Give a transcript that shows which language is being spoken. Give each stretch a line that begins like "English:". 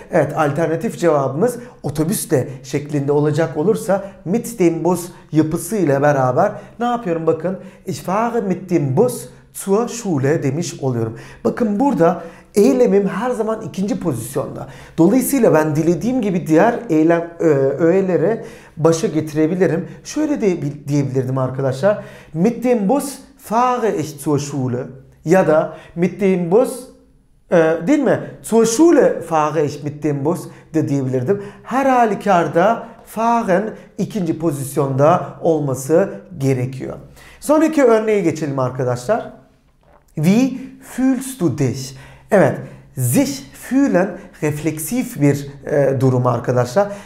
Turkish: Evet, alternatif cevabımız otobüsle şeklinde olacak olursa
German: mit dem Bus
Turkish: yapısıyla beraber ne yapıyorum bakın?
German: Ich fahre mit dem Bus zur Schule
Turkish: demiş oluyorum. Bakın burada eylemim her zaman ikinci pozisyonda. Dolayısıyla ben dilediğim gibi diğer eylem öğelere başa getirebilirim. Şöyle de diyebilirdim arkadaşlar.
German: Mit dem Bus fahre ich zur Schule.
Turkish: Ya da
German: mit dem Bus
Turkish: değil mi?
German: Zur Schule fahre ich mit dem Bus
Turkish: de diyebilirdim. Her halükarda fahren ikinci pozisyonda olması gerekiyor. Sonraki örneğe geçelim arkadaşlar.
German: Wie fühlst du dich?
Turkish: Evet,
German: sich fühlen
Turkish: refleksif bir durum arkadaşlar.